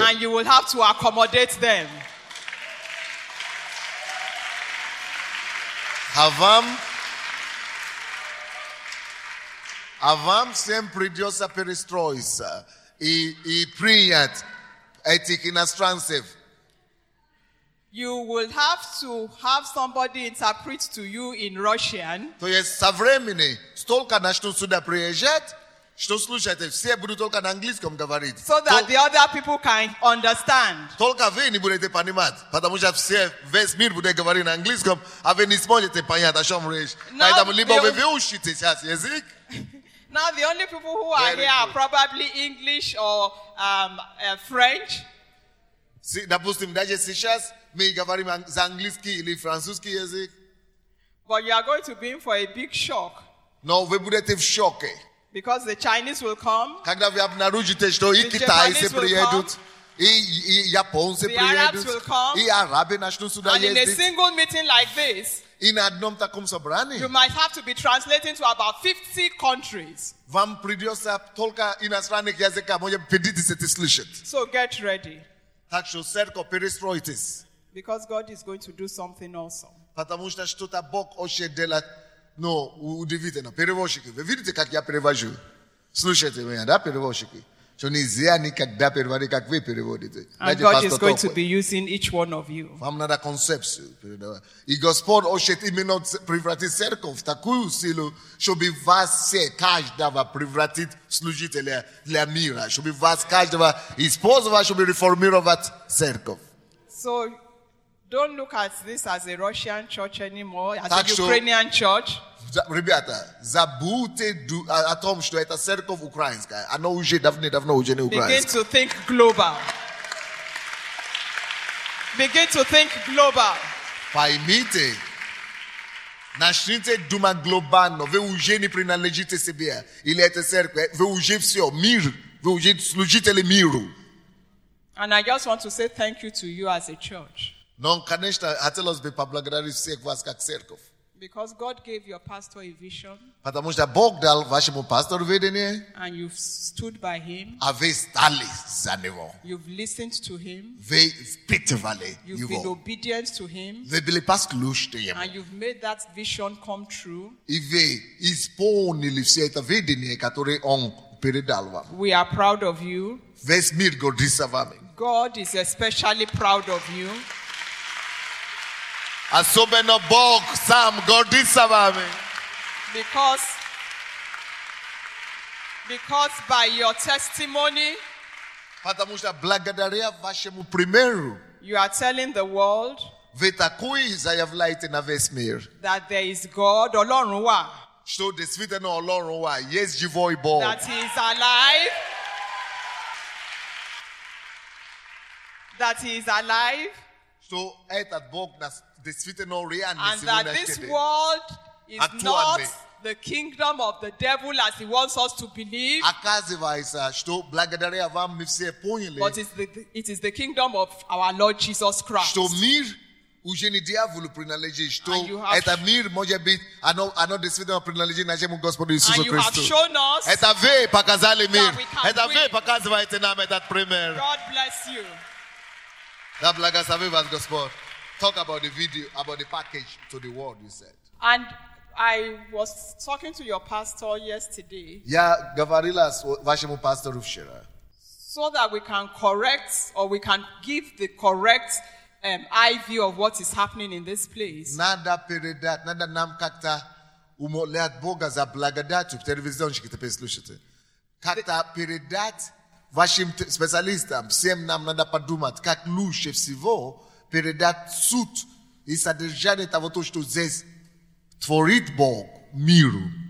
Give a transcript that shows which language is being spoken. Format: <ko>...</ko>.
<en>And you will have to accommodate them.</en> <ru>А вам всем придется перестроиться и принять этих иностранцев.</ru> <en>You will have to have somebody interpret to you in Russian.</en> <ru>То есть со времени столько начнут сюда приезжать, что слушайте, все будут только на английском говорить.</ru> <en>So that the other people can understand.</en> <ru>Только вы не будете понимать, потому что все весь мир будет говорить на английском, а вы не сможете понять, о чем речь. Поэтому либо вы выучите сейчас язык.</ru> <en>Now the only people who are here are probably English or French.</en> <ru>Допустим, даже сейчас мы говорим за английский или французский язык.</ru> <en>But you are going to be in for a big shock.</en> <ru>Но вы будете в шоке.</ru> <en>Because the Chinese will come.</en> <ru>Когда вы обнаружите, что и китайцы приедут, и японцы приедут, и арабы начнут сюда ездить.</ru> <en>And in a single meeting like this,</en> <ru>и на одном таком собрании,</ru> <en>you might have to be translating to about 50 countries.</en> <ru>Вам придется только иностранных языков, может, 50 слышать.</ru> <en>So get ready.</en> <ru>Так что церковь перестроится.</ru> <en>Because God is going to do something awesome.</en> <ru>Потому что что-то Бог очень делает, но удивительно. Перевозчики, вы видите, как я перевожу? Слушайте меня, да, перевозчики? Что нельзя никогда переводить, как вы переводите.</ru> <en>And God is going to be using each one of you.</en> <ru>Вам надо концепцию передавать. И Господь хочет именно превратить церковь в такую силу, чтобы вас все, каждого, превратить в служителя для мира. Чтобы вас каждого использовать, чтобы реформировать церковь.</ru> <en>So, don't look at this as a Russian church anymore, as a Ukrainian church.</en> <ru>Ребята, забудьте о том, что это церковь украинская. Оно уже давно уже не украинская.</ru> <en>Begin to think global. Begin to think global.</en> <ru>Поймите. Начните думать глобально. Вы уже не принадлежите себе. Или это церковь. Вы уже все. Мир. Вы уже служители миру.</ru> <en>And I just want to say thank you to you as a church.</en> <ru>Но, конечно, хотелось бы поблагодарить всех вас как церковь.</ru> <en>Because God gave your pastor a vision.</en> <ru>Потому что Бог дал вашему пастору видение.</ru> <en>And you've stood by him.</en> <ru>А вы стали за него.</ru> <en>You've listened to him.</en> <ru>Вы впитывали его.</ru> <en>You've been obedient to him.</en> <ru>Вы были послушны ему.</ru> <en>And you've made that vision come true.</en> <ru>И вы исполнили все это видение, которое он передал вам.</ru> <en>We are proud of you.</en> <ru>Весь мир гордится вами.</ru> <en>God is especially proud of you.</en> <ru>Особенно Бог сам гордится вами.</ru> <en>Because by your testimony,</en> <ru>потому что благодаря вашему примеру,</ru> <en>you are telling the world,</en> <ru>вы такой заявляете на весь мир,</ru> <en>that there is God, Олорун ва,</en> <ru>что действительно Олорун ва, есть живой Бог,</ru> <en>that he is alive, that he is alive,</en> <ru>что этот Бог нас действительно реальный.</ru> <en>And that this world is not the kingdom of the devil as he wants us to believe.</en> <ru>Оказывается, что благодаря вам мы все поняли.</ru> <en>But it is the kingdom of our Lord Jesus Christ.</en> <ru>Что мир уже не дьяволу принадлежит. Что это мир может быть, оно действительно принадлежит нашему Господу Иисусу Христу.</ru> <en>And you have shown us.</en> <ru>Это вы показали мир. Это вы показываете нам этот пример.</ru> <en>God bless you.</en> <ru>Да благослови вас Господь.</ru> <en>Talk about the video, about the package to the world, you said. And I was talking to your pastor yesterday.</en> <ru>Yeah, говорила с вашему пастору вчера.</ru> <en>So that we can correct or we can give the correct eye view of what is happening in this place.</en> <ru>Надо передать, надо нам как-то умолять Бога за благодать в телевизионщике, теперь слушайте. Как-то передать вашим специалистам, всем нам надо подумать, как лучше всего передать суть и содержание того, что здесь творит Бог миру.</ru>